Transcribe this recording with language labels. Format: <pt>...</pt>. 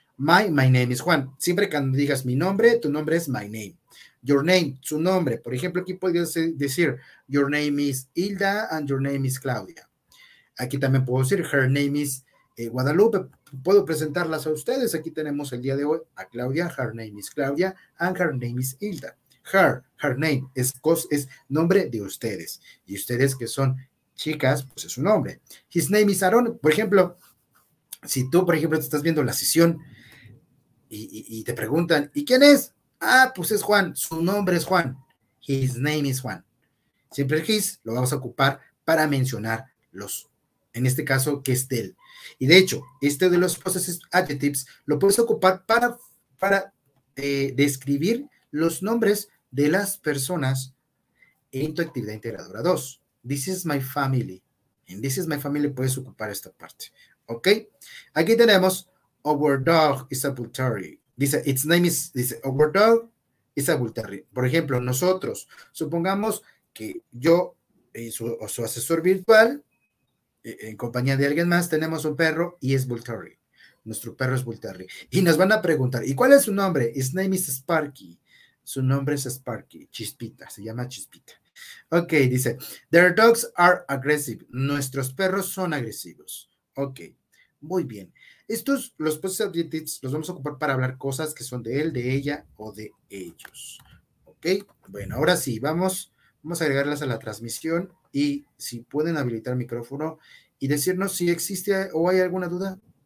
<en>My name is Juan.</en> <es>Siempre que digas mi nombre, tu nombre es</es> <en>my name. Your name,</en> <es>su nombre. Por ejemplo, aquí podrías decir,</es> <en>your name is Hilda and your name is Claudia.</en> <es>Aquí también puedo decir,</es> <en>her name is Guadalupe.</en> <es>Puedo presentarlas a ustedes. Aquí tenemos el día de hoy a Claudia.</es> <en>Her name is Claudia and her name is Hilda. Her name,</en> <es>es nombre de ustedes. Y ustedes que son chicas, pues es su nombre.</es> <en>His name is Aaron.</en> <es>Por ejemplo, si tú, por ejemplo, te estás viendo la sesión y te preguntan, ¿y quién es? Ah, pues es Juan. Su nombre es Juan.</es> <en>His name is Juan.</en> <es>Siempre el his lo vamos a ocupar para mencionar los, en este caso, que es del. Y de hecho, este de los possessive adjectives lo puedes ocupar para describir los nombres de las personas en tu actividad integradora 2.</es> <en>This is my family. En this is my family</en> <es>puedes ocupar esta parte. ¿Ok? Aquí tenemos,</es> <en>our dog is a bull terrier. Dice, its name is,</en> <es>dice,</es> <en>our dog is a bull terrier.</en> <es>Por ejemplo, nosotros, supongamos que yo, su asesor virtual, en compañía de alguien más, tenemos un perro y es bull terrier. Nuestro perro es bull terrier. Y nos van a preguntar, ¿y cuál es su nombre?</es> <en>His name is Sparky.</en> <es>Su nombre es Sparky, Chispita, se llama Chispita. Ok, dice,</es> <en>their dogs are aggressive.</en> <es>Nuestros perros son agresivos. Ok, muy bien. Estos, los possessive adjectives, los vamos a ocupar para hablar cosas que son de él, de ella o de ellos. Ok, bueno, ahora sí, vamos a agregarlas a la transmisión y si pueden habilitar el micrófono y decirnos si existe o hay alguna duda.</es>